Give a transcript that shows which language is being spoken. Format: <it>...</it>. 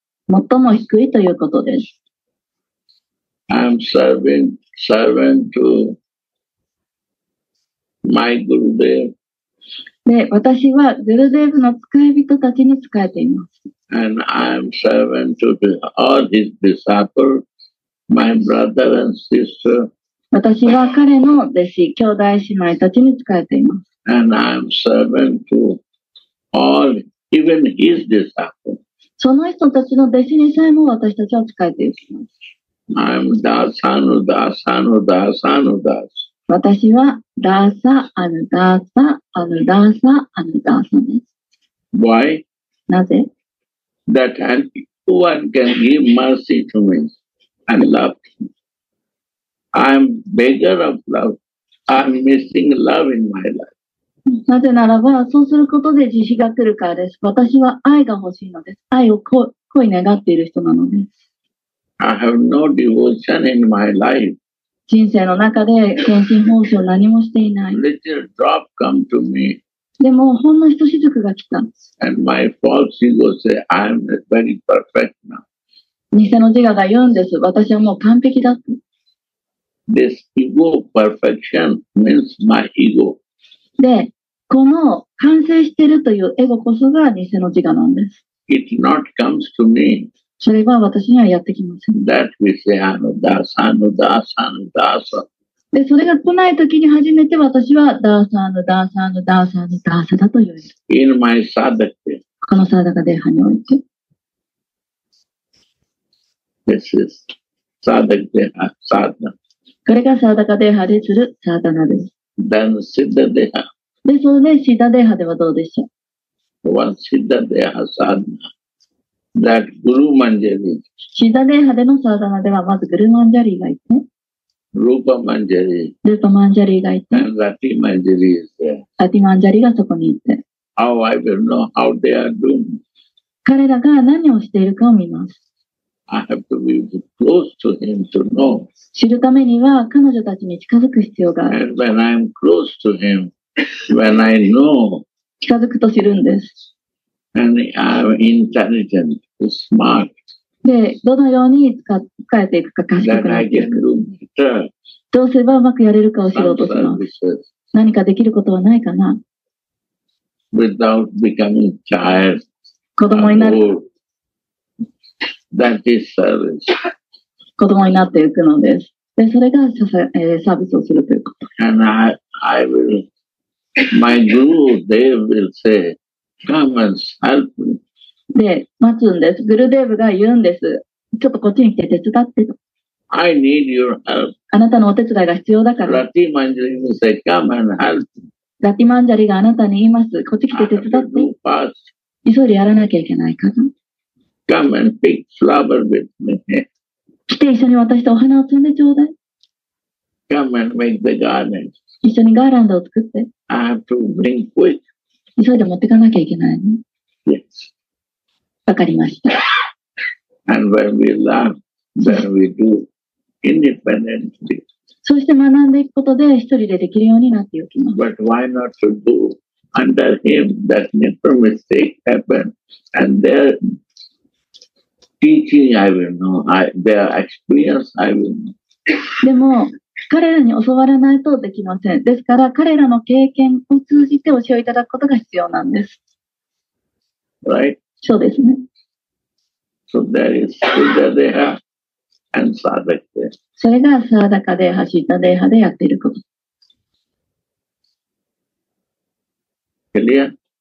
<ja>最も低いということです。</ja> <en>I'm servant to... My Gurudev.</en> <ja>で、私はグルデーブの使い人たちに使えています。</ja> <en>And I am servant to all his disciples, my brother and sister.</en> <ja>私は彼の弟子、兄弟姉妹たちに使えています。</ja> <en>And I am servant to all, even his disciples.</en> <ja>その人たちの弟子にさえも私たちは使えています。</ja> <en>I am Dasanu, Dasanu, Dasanu, Dasanu.</en> <ja>私はダーサ、アヌダーサ、アヌダーサ、アヌダーサです。</ja> <en>Why?</en> <ja>なぜ</ja> <en>?That anyone can give mercy to me and love me. I'm beggar of love. I'm missing love in my life.</en> <ja>なぜならば、そうすることで慈悲が来るからです。私は愛が欲しいのです。愛を恋願っている人なのです。</ja> <en>I have no devotion in my life.</en> <ja>人生の中で献身奉仕を何もしていない。</ja> <en>Little drop come to me.</en> <ja>でも、ほんの一滴が来たんです。</ja> <en>And my false ego say, I'm very perfect now.</en> <ja>偽の自我が言うんです。私はもう完璧だと。</ja> <en>This ego perfection means my ego.</en> <ja>で、この完成してるというエゴこそが偽の自我なんです。</ja> <en>It not comes to me.</en> <ja>それは私にはやってきません。</ja> <en>That we say,</en> <ja>あの、ダーサーの、ダーサーの、ダーサー。で、それが来ないときに初めて私は、ダーサーの、ダーサーの、ダーサーの、ダーサーだと言う。</ja> <en>In my sadhaka.</en> <ja>このサダカデハにおいて。</ja> <en>This is sadhaka deha, sadhana.</en> <ja>これがサダカデハでするサダナです。</ja> <en>Then siddha deha.</en> <ja>で、それでシダデハではどうでしょう。</ja> <en>One siddha deha sadhana. that Guru Manjari.</en> <ja>シダレハデのサダナではまずグルマンジャリーがいて、ルーパマンジャリー、ルーパマンジャリーがいて、ラティマンジャリーで、ラティマンジャリーがそこにいて、</ja> <en>How I will know how they are doing.</en> <ja>彼らが何をしているかを見ます。</ja> <en>I have to be close to him to know.</en> <ja>知るためには彼女たちに近づく必要がある。</ja> <en>And when I'm close to him, when I know,</en> <ja>近づくと知るんです。</ja> <en>And I'm intelligent, smart.</en> <ja>で、どのように使えていくか賢くなっていく。どうすればうまくやれるかを知ろうとします。何かできることはないかな。</ja> <en>Without becoming child,</en> <ja>子供になる。</ja> <en>That is service.</en> <ja>子供になっていくのです。で、それがサービスをするということ。</ja> <en>And I will, my guru, they will say, come and help me.</en> <ja>で、待つんです。グルデーブが言うんです。ちょっとこっちに来て手伝ってと。</ja> <en>I need your help.</en> <ja>あなたのお手伝いが必要だから。</ja> <en>ラティマンジャリが say, come and help.</en> <ja>ラティマンジャリがあなたに言います。こっち来て手伝って。</ja> <en>I have to do fast.</en> <ja>急いでやらなきゃいけないから。</ja> <en>Come and pick flower with me.</en> <ja>来て一緒に私とお花を摘んでちょうだい。</ja> <en>Come and make the garden.</en> <ja>一緒にガーランドを作って。</ja> <en>I have to bring quick.</en> <ja>急いで持ってかなきゃいけないね。</ja> <en>Yes.</en> <ja>わかりました。</ja> <en>And when we learn, then we do independently.</en> <ja>そして学んでいくことで一人でできるようになっていきます。</ja> <en>But why not to do under him that never mistake happen? And their teaching I will know, their experience I will know.</en> <ja>でも彼らに教わらないとできません。ですから彼らの経験を通じて教えをいただくことが必要なんです。</ja> <en>Right?</en> <ja>そうですね。</ja> <en>So there is Siddha Deha and Sadhaka Deha.</en> <ja>それが Sadhaka Deha、Siddha Deha でやっていること。</ja> <en>Clear?</en>